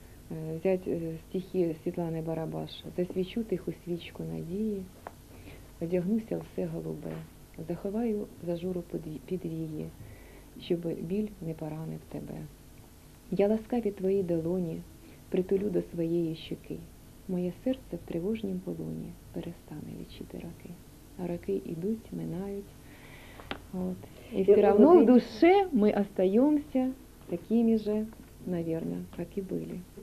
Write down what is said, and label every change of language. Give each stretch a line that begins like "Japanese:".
Russian: Взять стихи Светланы Барабаш.
Ukrainian: «Засвечу тиху свічку надії, одягнуся все голубе, заховаю зажуру під її, щоб біль не поранив тебе. Я ласкаві твої долоні притулю до своєї щоки. Моє серце в тривожнім полоні перестане лічити роки. А роки йдуть, минають. От.
Russian: І все равно в душе
Ukrainian: ми остаємося
Russian: такими же, наверное, как и были.